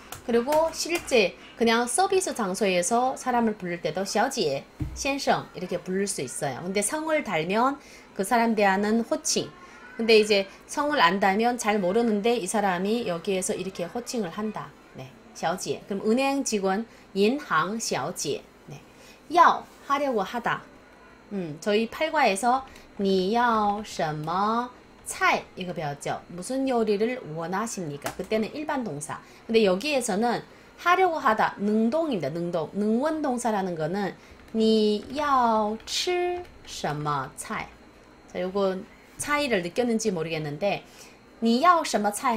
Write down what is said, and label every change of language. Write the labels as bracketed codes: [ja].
[ko] 그리고 실제 그냥 서비스 장소에서 사람을 부를 때도 [zh] 小姐, 先生 [ko] 이렇게 부를 수 있어요. 근데 성을 달면 그 사람 대하는 호칭. 근데 이제 성을 안다면 잘 모르는데 이 사람이 여기에서 이렇게 호칭을 한다. 네, 小姐. 그럼 은행 직원, 인行 小姐. 네, 要 하려고 하다. 저희 팔과에서 [zh] 你要什么菜? [ko] 이거 배웠죠? 무슨 요리를 원하십니까? 그때는 일반 동사. 근데 여기에서는 하려고 하다, 능동입니다. 능동. 능원 동사라는 거는 [zh] 你要吃什么菜? [ko] 자, 요거 차이를 느꼈는지 모르겠는데, [zh] 你要什么菜?